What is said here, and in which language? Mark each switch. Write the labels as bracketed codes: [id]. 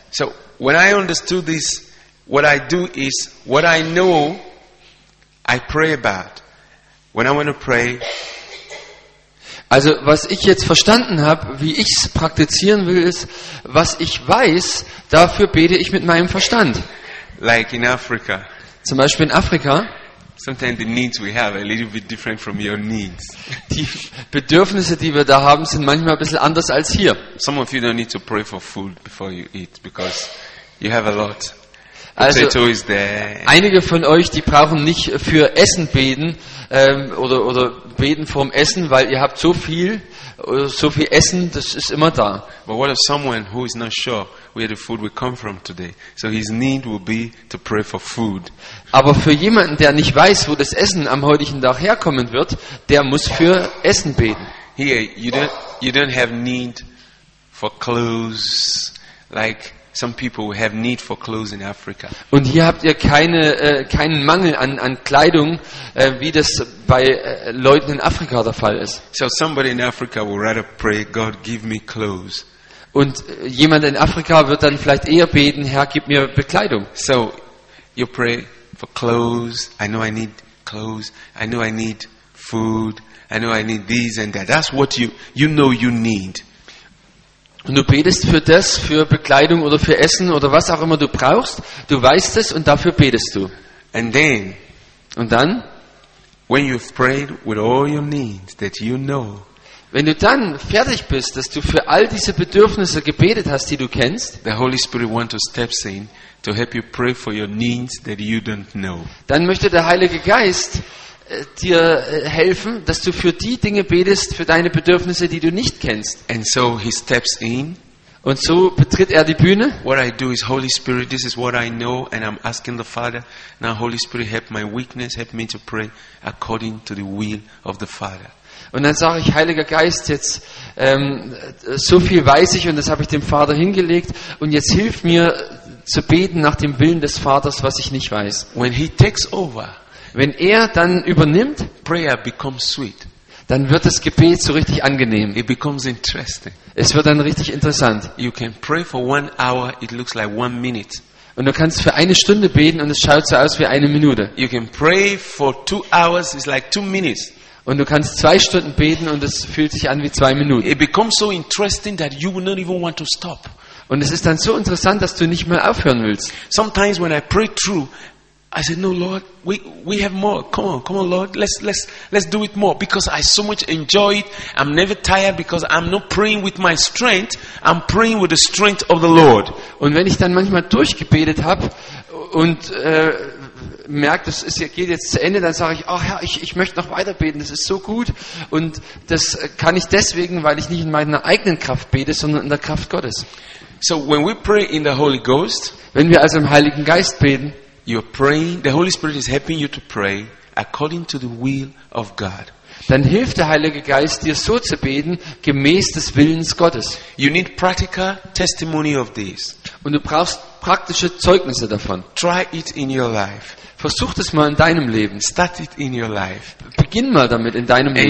[en] So, when I understood this, what I do is, what I know, I pray about. When I want to pray. [de] Also, was ich jetzt verstanden habe, wie ich es praktizieren will, ist, was ich weiß, dafür bete ich mit meinem Verstand. [en] Like in Africa. [de] Zum Beispiel in Afrika. [en] Sometimes the needs we have are a little bit different from your needs. [de] Die Bedürfnisse, die wir da haben, sind manchmal ein bisschen anders als hier. [en] Some of you don't need to pray for food before you eat because you have a lot. Also, potato is there. [de] Einige von euch, die brauchen nicht für Essen beten oder beten vorm Essen, weil ihr habt so viel Essen, das ist immer da. [en] But what if someone who is not sure where the food will come from today? So his need will be to pray for food. [de] Aber für jemanden, der nicht weiß, wo das Essen am heutigen Tag herkommen wird, der muss für Essen beten. [en] Here, you don't have need for clothes like some people have need for clothes in Africa. [de] Und hier habt ihr keinen Mangel an Kleidung, wie das bei Leuten in Afrika der Fall ist. [en] So somebody in Africa will rather pray, God give me clothes. [de] Und jemand in Afrika wird dann vielleicht eher beten, Herr, gib mir Bekleidung. [en] So you pray for clothes. I know I need clothes. I know I need food. I know I need this and that. That's what you know you need. [de] Und du betest für das, für Bekleidung oder für Essen oder was auch immer du brauchst. Du weißt es und dafür betest du. [en] And then, [de] und dann, [en] when you've prayed with all your needs that you know, [de] wenn du dann fertig bist, dass du für all diese Bedürfnisse gebetet hast, die du kennst, [en] the Holy Spirit wants to step in to help you pray for your needs that you don't know. [de] Dann möchte der Heilige Geist dir helfen, dass du für die Dinge betest, für deine Bedürfnisse, die du nicht kennst. [en] And so he steps in. [de] Und so betritt er die Bühne. [en] What I do is, Holy Spirit, this is what I know, and I'm asking the Father. Now, Holy Spirit, help my weakness, help me to pray according to the will of the Father. [de] Und dann sage ich, Heiliger Geist, jetzt so viel weiß ich und das habe ich dem Vater hingelegt und jetzt hilf mir zu beten nach dem Willen des Vaters, was ich nicht weiß. [en] When he takes over. [de] Wenn er dann übernimmt, [en] prayer becomes sweet. [de] Dann wird das Gebet so richtig angenehm. [en] It becomes interesting. [de] Es wird dann richtig interessant. [en] You can pray for 1 hour, it looks like 1 minute. [de] Und du kannst für eine Stunde beten und es schaut so aus wie eine Minute. [en] You can pray for 2 hours, it's like 2 minutes. [de] Und du kannst 2 Stunden beten und es fühlt sich an wie 2 Minuten. [en] It becomes so interesting that you will not even want to stop. [de] Und es ist dann so interessant, dass du nicht mal aufhören willst. [en] Sometimes when I pray through, I said, no, Lord, we have more. Come on, Lord, let's do it more. Because I so much enjoy it. I'm never tired because I'm not praying with my strength. I'm praying with the strength of the Lord. [de] Und wenn ich dann manchmal durchgebetet habe und merkt, es geht jetzt zu Ende, dann sage ich, oh Herr, ich möchte noch weiter beten, das ist so gut. Und das kann ich deswegen, weil ich nicht in meiner eigenen Kraft bete, sondern in der Kraft Gottes. [en] So when we pray in the Holy Ghost, [de] wenn wir also im Heiligen Geist beten, [en] you're praying, the Holy Spirit is helping you to pray according to the will of God. [de] Dann hilft der Heilige Geist dir so zu beten, gemäß des Willens Gottes. [en] You need practical testimony of this. [de] Und du brauchst praktische Zeugnisse davon. [en] Try it in your life. [de] Versucht es mal in deinem Leben. [en] Start it in your life. [de] Beginn mal damit in deinem Leben.